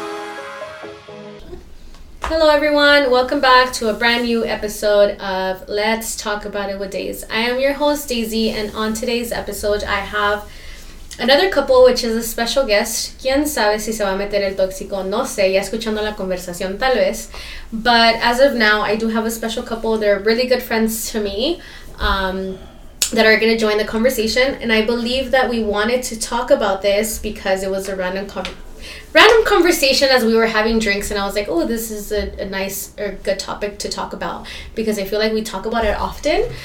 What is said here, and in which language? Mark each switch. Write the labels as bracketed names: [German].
[English] Hello everyone, welcome back to a brand new episode of Let's Talk About It with Daisy. I am your host Daisy, and on today's episode I have another couple, which is a special guest. [Spanish] Quién sabe si se va a meter el tóxico, no sé, ya escuchando la conversación tal vez. [English] But as of now, I do have a special couple. They're really good friends to me that are going to join the conversation. And I believe that we wanted to talk about this because it was a random conversation as we were having drinks. And I was like, oh, this is a nice or good topic to talk about, because I feel like we talk about it often.